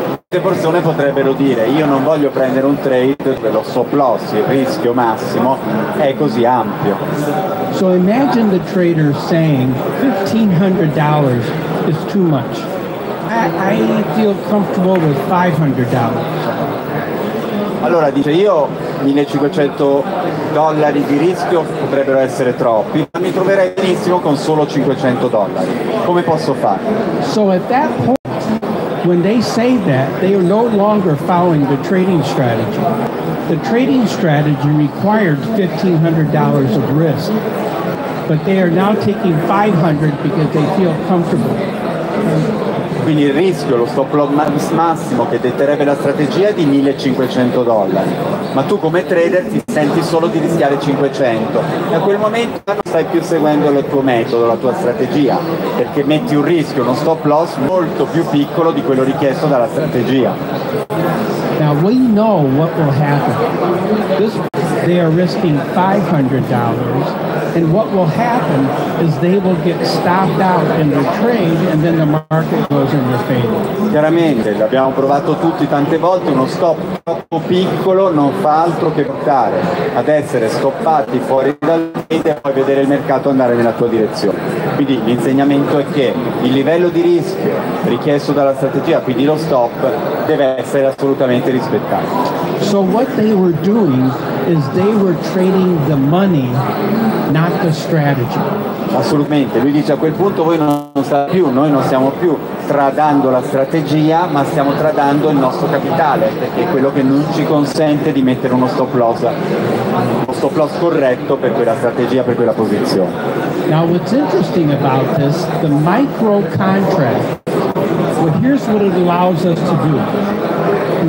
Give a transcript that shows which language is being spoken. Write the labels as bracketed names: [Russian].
[Italian] Queste persone potrebbero dire: io non voglio prendere un trade dove lo stop loss, il rischio massimo, è così ampio. [English] So imagine the trader saying $1,500 is too much. I feel comfortable with $500. [Italian] Allora dice: io $1,500 di rischio potrebbero essere troppi, ma mi troverei benissimo con solo $500. Come posso fare? [English] So at that point, when they say that, they are no longer following the trading strategy. The trading strategy required $1,500 of risk, but they are now taking $500 because they feel comfortable. [Italian] Quindi il rischio, lo stop loss massimo che detterebbe la strategia è di $1,500, ma tu come trader ti senti solo di rischiare 500. Da quel momento non stai più seguendo il tuo metodo, la tua strategia, perché metti un rischio, uno stop loss molto più piccolo di quello richiesto dalla strategia. [English] Now we know what will happen. They are risking $500, and what will happen is they will get stopped out in the trade, and then the market goes in their favor. [Italian] Chiaramente, l'abbiamo provato tutti tante volte, uno stop troppo piccolo non fa altro che portare ad essere stoppati fuori dal trade e poi vedere il mercato andare nella tua direzione. Quindi l'insegnamento è che il livello di rischio richiesto dalla strategia, quindi lo stop, deve essere assolutamente rispettato. [English] So what they were doing is they were trading the money, not the strategy. [Italian] Assolutamente, lui dice: a quel punto voi non state più, noi non stiamo più tradando la strategia, ma stiamo tradando il nostro capitale, perché è quello che non ci consente di mettere uno stop loss corretto per quella strategia, per quella posizione. [English] Now what's interesting about this, the micro contract, well, here's what it allows us to do.